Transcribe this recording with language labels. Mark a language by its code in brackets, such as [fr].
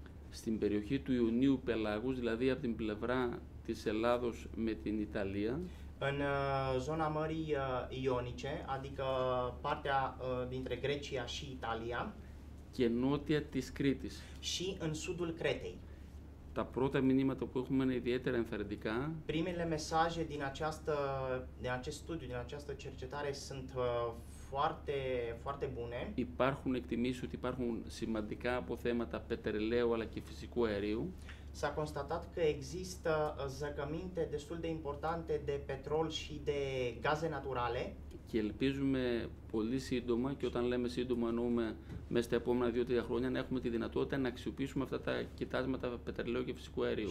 [el] Στην περιοχή του Ιωνίου Πελάγους, δηλαδή από την πλευρά της Ελλάδος με την Ιταλία. [ro] În zona mării Ionice, adică partea dintre Grecia și Italia. [el] Και νότια της Κρήτης. [ro] Și în sudul Cretei. [el] Τα πρώτα μηνύματα που έχουμε είναι ιδιαίτερα ενθαρρυντικά. [ro] Primele mesaje din acest studiu, din această cercetare sunt foarte, foarte bune. [el] Υπάρχουν εκτιμήσεις ότι υπάρχουν σημαντικά αποθέματα πετρελαίου αλλά και φυσικού αερίου. [ro] S-a constatat că există zăcăminte destul de importante de petrol și de gaze naturale. [el] Και ελπίζουμε πολύ σύντομα, και όταν λέμε σύντομα εννοούμε μέσα στα επόμενα 2-3 χρόνια, να έχουμε τη δυνατότητα να αξιοποιήσουμε αυτά τα κοιτάσματα πετρελαίου και φυσικού αερίου.